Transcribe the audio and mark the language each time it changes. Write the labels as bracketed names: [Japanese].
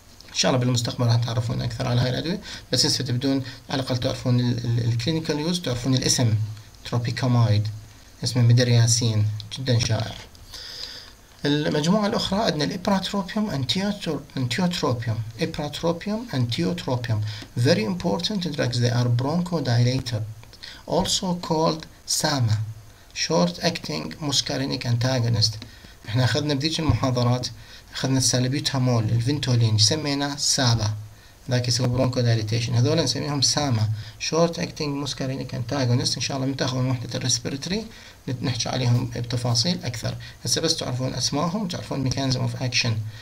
[Arabic] ان شاء الله بالمستقبل راح تعرفون اكثر على هاي الادويه، بس هسه تبدون على الاقل تعرفون الكلينيكال يوز، تعرفون الاسم تروبيكاميد اسمه مدرياسين جدا شائع. المجموعة الأخرى عندنا الإبراتروبيوم أنتيوتروبيوم. [English] Ipratropium and tiotropium very important drugs. they are bronchodilator also called SAMA short acting muscarinic antagonist. [Arabic] احنا أخذنا بذيك المحاضرات أخذنا السالبيوتامول الفنتولين سميناه سابا، ذاك يسوي برونكودايليتيشن، هذول نسميهم ساما شورت اكتنج موسكارينيك انتاغونست. ان شاء الله متاخذون وحده الريسبيرتري نحكي عليهم بتفاصيل اكثر، هسه بس تعرفون اسمائهم وتعرفون ميكانيزم اوف اكشن.